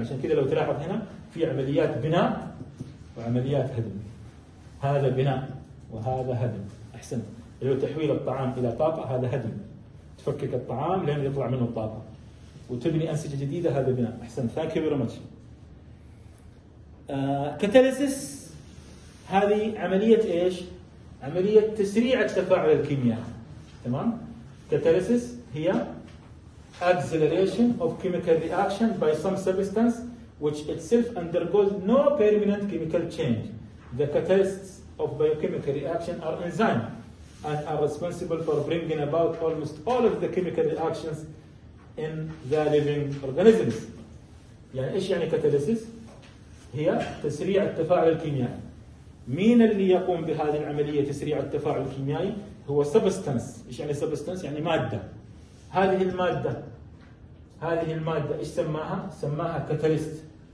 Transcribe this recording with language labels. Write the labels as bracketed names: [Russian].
[Arabic] عشان كده لو تلاحظ هنا في عمليات بناء وعمليات هدم، هذا بناء وهذا هدم. أحسنت. لو تحويل الطعام إلى طاقة هذا هدم، تفكك الطعام لين يطلع منه الطاقة وتبني أنسجة جديدة، هذا بناء. أحسن. [English] Thank you very much. [Arabic] كاتاليسيس هذه عملية إيش؟ عملية تسريع التفاعل الكيميائي، تمام؟ كاتاليسيس هي [English] acceleration of chemical reaction by some substance which itself undergoes no permanent chemical change. The catalysts of biochemical reaction are enzymes and are responsible for bringing about almost all of the chemical reactions in the living organisms. [Arabic] يعني ايش يعني كاتاليسيس؟ هي تسريع التفاعل الكيميائي. مين اللي يقوم بهذه العمليه تسريع التفاعل الكيميائي؟ هو سبستانس. ايش يعني سبستانس؟ يعني ماده. هذه الماده، هذه الماده ايش سماها؟ سماها كاتاليست.